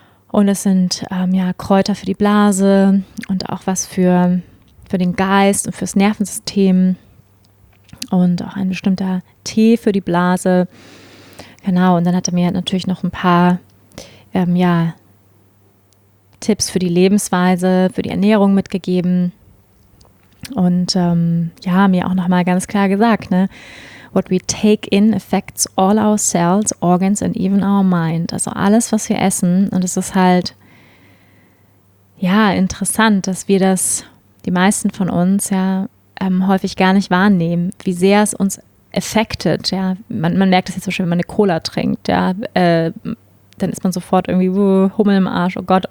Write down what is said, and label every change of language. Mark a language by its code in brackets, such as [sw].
[de] Und es sind ja, Kräuter für die Blase und auch was für den Geist und fürs Nervensystem und auch ein bestimmter Tee für die Blase. Genau, und dann hat er mir natürlich noch ein paar ja, Tipps für die Lebensweise, für die Ernährung mitgegeben und ja, mir auch nochmal ganz klar gesagt, ne? [en] What we take in affects all our cells, organs and even our mind. [de] Also alles, was wir essen. Und es ist halt, ja, interessant, dass wir das, die meisten von uns, ja, häufig gar nicht wahrnehmen, wie sehr es uns affected. Ja. Man merkt das jetzt so schön, wenn man eine Cola trinkt. Ja, dann ist man sofort irgendwie Hummel im Arsch, oh Gott.